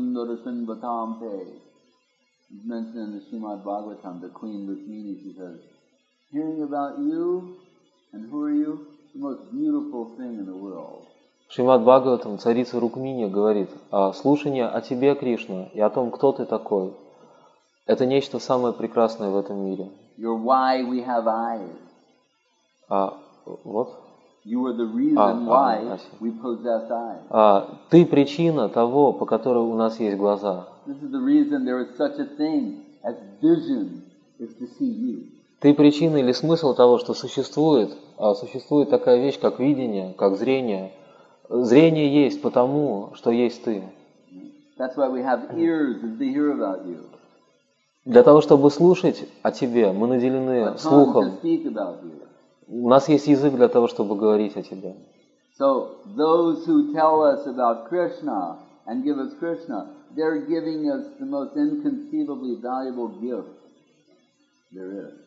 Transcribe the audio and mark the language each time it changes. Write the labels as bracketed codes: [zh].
[en] It's mentioned in the Srimad Bhagavatam, the Queen Rukmini, she says, hearing about you and who are you, the most beautiful thing in the world. [ru] Шримад Бхагаватам, царица Рукмини, говорит, слушание о тебе, Кришна, и о том, кто ты такой, это нечто самое прекрасное в этом мире. [en] You're why we have eyes. [ru] Вот. [en] You are the reason why we possess eyes. [ru] Ты причина того, по которой у нас есть глаза. This is the reason there is such a thing as vision, is to see you. Ты причина или смысл того, что существует, существует такая вещь, как видение, как зрение. Зрение есть потому, что есть ты. [en] That's why we have ears to hear about you. [ru] Для того, чтобы слушать о тебе, мы наделены слухом. У нас есть язык для того, чтобы говорить о тебе. [en] So those who tell us about Krishna and give us Krishna, they're giving us the most inconceivably valuable gift there is.